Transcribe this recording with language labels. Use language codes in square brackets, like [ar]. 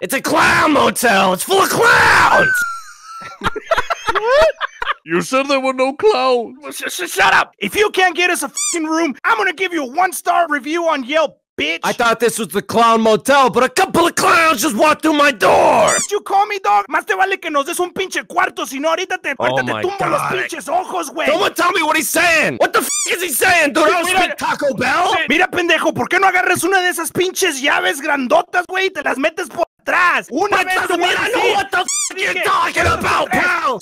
[en] It's a clown motel. It's full of clowns. What? You said there were no clowns. Shut up. If you can't get us a f***ing room, I'm gonna give you a 1-star review on Yelp, bitch. I thought this was the Clown Motel, but a couple of clowns just walked through my door. Did you call me, dog? [es] Más te vale que nos des un pinche cuarto, sino ahorita te tumbo los pinches ojos, güey. [en] Someone tell me what he's saying. What the f*** is he saying, dude? I don't speak Taco Bell. [es] Mira, pendejo, ¿por qué no agarras una de esas pinches llaves grandotas, güey, y te las metes por... atrás. Una [en] vez, man, I know what the f*** you're talking about, pal!